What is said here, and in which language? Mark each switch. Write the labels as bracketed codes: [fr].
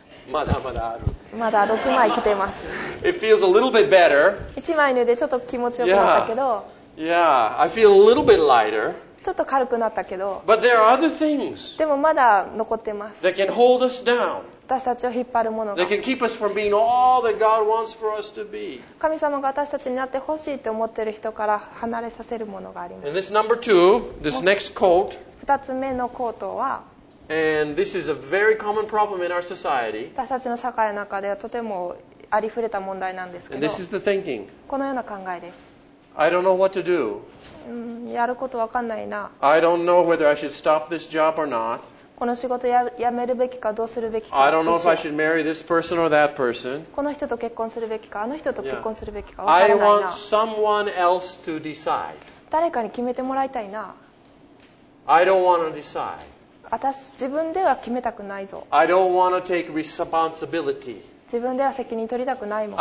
[ja] まだまだある。まだ6枚着てます。 [en] It feels a little bit better. [ja] 1枚脱いでちょっと気持ちよくなったけど。 [en] Yeah, I feel a little bit lighter. [ja] ちょっと軽くなったけど。 [en] But there are other things. [ja] でもまだ残ってます。 [en] That can hold us down. [ja] 私たちを引っ張るものが。 [en] They can keep us from being all that God wants for us to be. [ja] 神様が私たちになってほしいと思っている人から離れさせるものがあります。 [en] And this number two, this next coat. [ja] 二つ目のコートは。 [en] And this is a very common problem in our society. [ja] 私たちの社会の中ではとてもありふれた問題なんですけど。 [en] And this is the thinking. [ja] このような考えです。 [en] I don't know what to do. [ja] やることわかんないな。 [en] I don't know whether I should stop this job or not. [ja] この仕事を辞めるべきかどうするべきか。 [en] I don't know if I should marry this person or that person. [ja] この人と結婚するべきか、あの人と結婚するべきか、分からないな。 [en] I want someone else to decide. [ja] 誰かに決めてもらいたいな。 [en] I don't want to decide. [ja] 私、自分では決めたくないぞ。 [en] I don't want to take responsibility. [ja] 自分では責任取りたくないもん。